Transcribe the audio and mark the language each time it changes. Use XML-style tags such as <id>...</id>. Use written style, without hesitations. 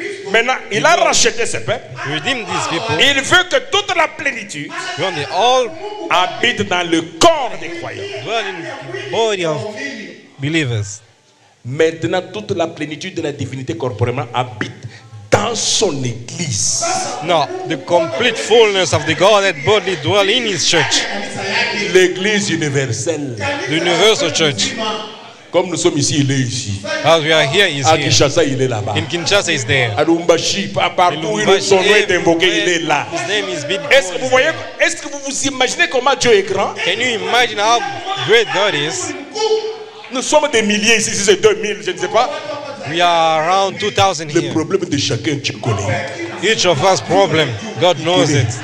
<fr>Maintenant, il a racheté ses peuples. Il veut que toute la plénitude.</fr> <en>When they all</en> <fr>habite dans le corps des croyants.</fr> <en>Dwell in the body of believers.</en> <fr>Maintenant, toute la plénitude de la divinité corporellement habite. Dans son église.</fr> <en>Now, the complete fullness of the Godhead bodily dwell in his church.</en> <fr>L'église universelle.</fr> <en>The universal church.</en> <fr>Comme nous sommes ici, il est ici.</fr> <en>As we are here, he's</en> <fr>à Kinshasa, il est là-bas.</fr> <en>In Kinshasa, he's there.</en> <fr>À Lumbashi, partout où son nom est invoqué, il est là.</fr> <en>His name is big.</en> <fr>Est-ce que vous voyez, est-ce que vous vous imaginez comment Dieu est grand?</fr> <en>Can you imagine how great God is?</en> <fr>Nous sommes des milliers ici, si c'est 2000, je ne sais pas.</fr> <en>We are around 2,000 here.</en> <fr>Le problème de chacun, tu connais.</fr> <en>Each of us problem, God knows it.</en>